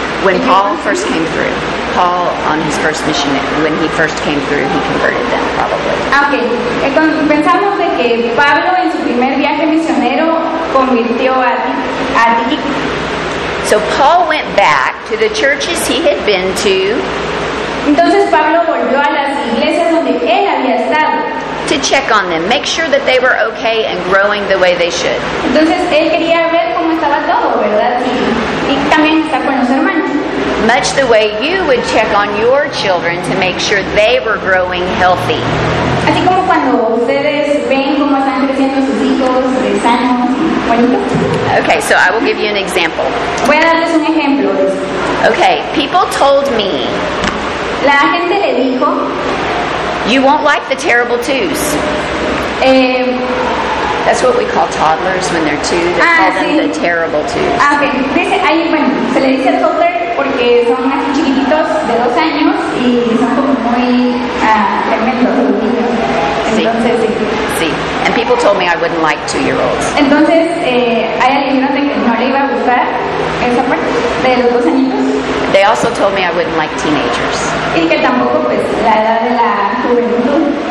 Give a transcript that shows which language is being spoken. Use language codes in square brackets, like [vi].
[en] When Paul first came through, Paul on his first mission, when he first came through, he converted them, probably. Okay. [es] Pensamos de que Pablo en su primer viaje misionero convirtió a Tíquico. [en] So Paul went back to the churches he had been to. [es] Entonces Pablo volvió a las iglesias donde él había estado. [en] To check on them, make sure that they were okay and growing the way they should. [es] Entonces él quería ver cómo estaba todo, ¿verdad? Y también está con los hermanos. [en] Much the way you would check on your children to make sure they were growing healthy. [es] Así como cuando ustedes ven cómo están creciendo sus hijos, sanos, bonitos. [en] Okay, so I will give you an example. [es] Voy a darles un ejemplo. [en] Okay, people told me. [es] La gente le dijo. [en] You won't like the terrible twos. That's what we call toddlers when they're two. They call [es] sí. [en] them the terrible twos. Okay. [es] Dice, ahí, bueno, se le dice toddler porque son así chiquititos de dos años y son como muy tremendos los niños. Entonces, sí. Sí. Sí. [en] And people told me I wouldn't like two-year-olds. [es] Entonces, hay alguien que no le iba a gustar esa parte de los dos añitos. [en] They also told me I wouldn't like teenagers. [es] Y que tampoco, pues, la edad de la juventud.